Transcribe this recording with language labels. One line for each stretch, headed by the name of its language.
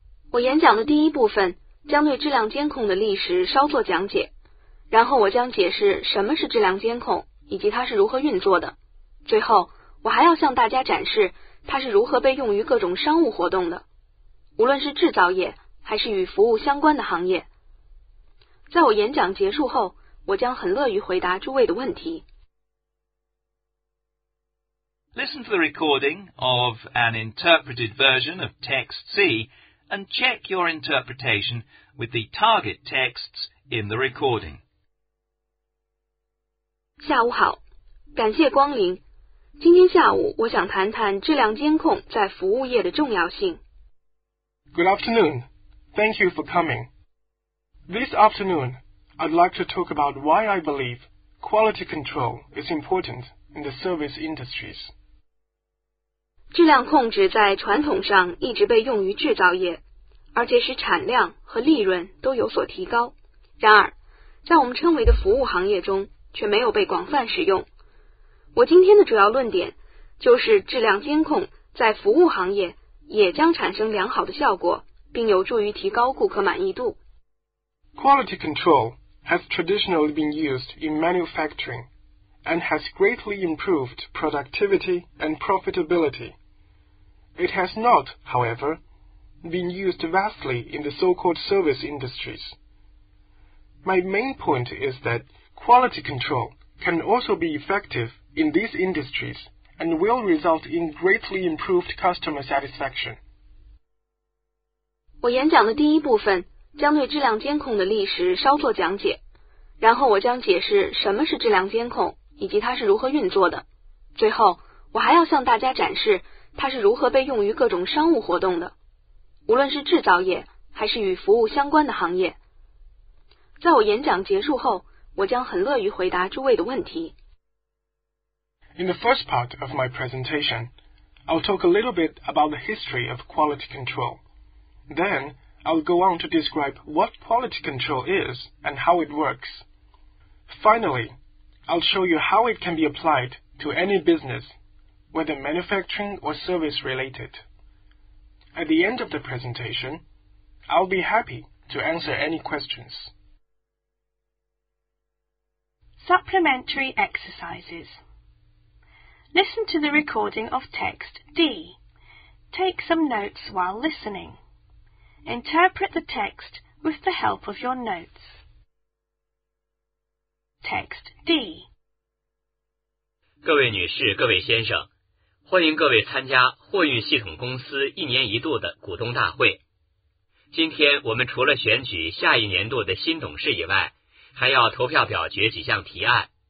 Chinese: 我演讲的第一部分将对质量监控的历史稍作讲解，然后我将解释什么是质量监控以及它是如何运作的。最后，我还要向大家展示它是如何被用于各种商务活动的，无论是制造业还是与服务相关的行业。在我演讲结束后，我将很乐于回答诸位的问题。
English: Listen to the recording of an interpreted version of text C and check your interpretation with the target texts in the recording.
Chinese: 下午好，感谢光临。今天下午我想谈谈质量监控在服务业的重要性。
English: Good afternoon. Thank you for coming. This afternoon, I'd like to talk about why I believe quality control is important in the service industries.
Chinese: 质量控制在传统上一直被用于制造业，而且使产量和利润都有所提高。然而，在我们称为的服务行业中，却没有被广泛使用。我今天的主要论点就是质量监控在服务行业也将产生良好的效果，并有助于提高顾客满意度。
English: Quality control has traditionally been used in manufacturing and has greatly improved productivity and profitability. It has not, however, been used vastly in the so-called service industries. My main point is that quality control can also be effective in these industries. And will result in greatly improved customer satisfaction.
Chinese: 我演讲的第一部分将对质量监控的历史稍作讲解，然后我将解释什么是质量监控以及它是如何运作的。最后，我还要向大家展示它是如何被用于各种商务活动的，无论是制造业还是与服务相关的行业。在我演讲结束后，我将很乐于回答诸位的问题。
English: In the first part of my presentation, I'll talk a little bit about the history of quality control. Then, I'll go on to describe what quality control is and how it works. Finally, I'll show you how it can be applied to any business, whether manufacturing or service related. At the end of the presentation, I'll be happy to answer any questions. Supplementary exercises. Listen to the recording of text D. Take some notes while listening. Interpret the text with the help of your notes. Text D.
Chinese: 各位女士，各位先生，欢迎各位参加货运系统公司一年一度的股东大会。今天我们除了选举下一年度的新董事以外，还要投票表决几项提案。